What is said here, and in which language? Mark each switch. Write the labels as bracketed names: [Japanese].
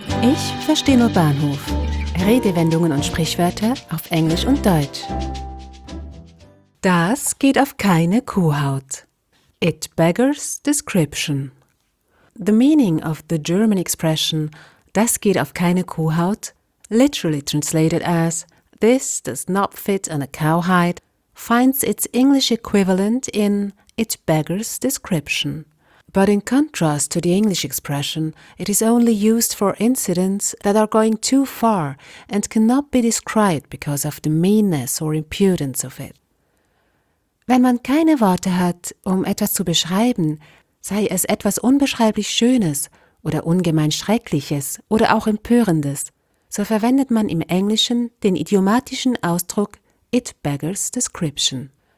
[German] Ich verstehe nur Bahnhof. Redewendungen und Sprichwörter auf Englisch und Deutsch. Das geht auf keine Kuhhaut. [English] It beggars description. The meaning of the German expression [German] "das geht auf keine Kuhhaut," [English] literally translated as "this does not fit on a cowhide," finds its English equivalent in "it beggars description." But in contrast to the English expression, it is only used for incidents that are going too far and cannot be described because of the meanness or impudence of it. [German] Wenn man keine Worte hat, um etwas zu beschreiben, sei es etwas unbeschreiblich Schönes oder ungemein Schreckliches oder auch Empörendes, so verwendet man im Englischen den idiomatischen Ausdruck [English] "it beggars description".